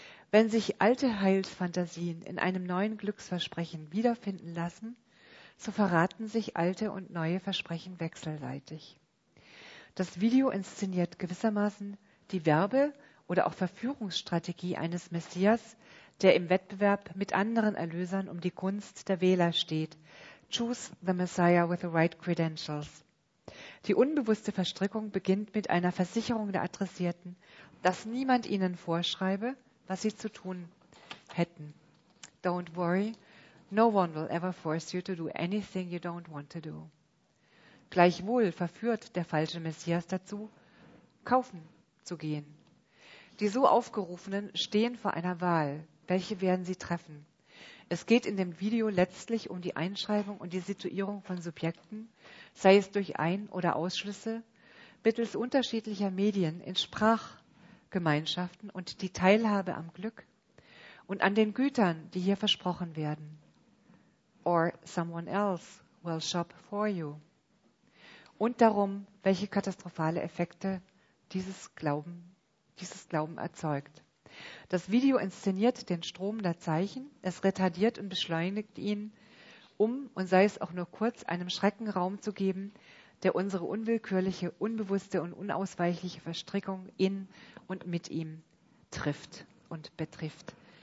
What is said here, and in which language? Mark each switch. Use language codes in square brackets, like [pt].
[de] Wenn sich alte Heilsfantasien in einem neuen Glücksversprechen wiederfinden lassen, so verraten sich alte und neue Versprechen wechselseitig. Das Video inszeniert gewissermaßen die Werbe- oder auch Verführungsstrategie eines Messias, der im Wettbewerb mit anderen Erlösern um die Gunst der Wähler steht. [en] Choose the Messiah with the right credentials. [de] Die unbewusste Verstrickung beginnt mit einer Versicherung der Adressierten, dass niemand ihnen vorschreibe, was sie zu tun hätten. [en] Don't worry, no one will ever force you to do anything you don't want to do. [de] Gleichwohl verführt der falsche Messias dazu, kaufen zu gehen. Die so Aufgerufenen stehen vor einer Wahl. Welche werden sie treffen? Es geht in dem Video letztlich um die Einschreibung und die Situierung von Subjekten, sei es durch Ein- oder Ausschlüsse, mittels unterschiedlicher Medien in Sprachgemeinschaften und die Teilhabe am Glück und an den Gütern, die hier versprochen werden. [en] Or someone else will shop for you. [de] Und darum, welche katastrophale Effekte dieses Glauben erzeugt. Das Video inszeniert den Strom der Zeichen, es retardiert und beschleunigt ihn, um, und sei es auch nur kurz, einem Schrecken Raum zu geben, der unsere unwillkürliche, unbewusste und unausweichliche Verstrickung in und mit ihm trifft und betrifft.